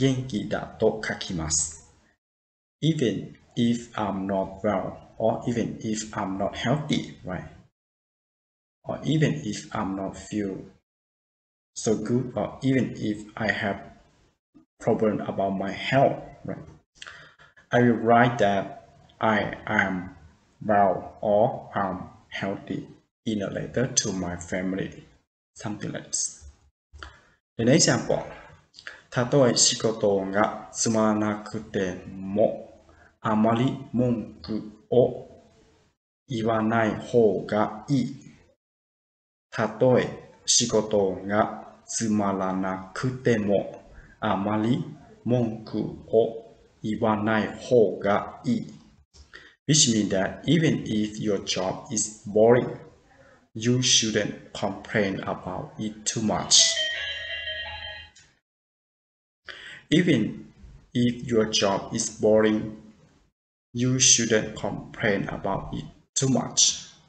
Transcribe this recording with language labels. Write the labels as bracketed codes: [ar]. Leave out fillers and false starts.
[ja] 家族への手紙には元気だと書きます. [en] Even if I'm not well, or even if I'm not healthy, right? Or even if I'm not feel so good, or even if I have problem about my health, right? I will write that I am well or I'm healthy in a letter to my family. Something like this. The next example. [ja] たとえ仕事がつまらなくても、あまり文句を言わない方がいい。たとえ仕事がつまらなくても、あまり文句を言わない方がいい。 [en] Which means that even if your job is boring, you shouldn't complain about it too much. Even if your job is boring, you shouldn't complain about it too much.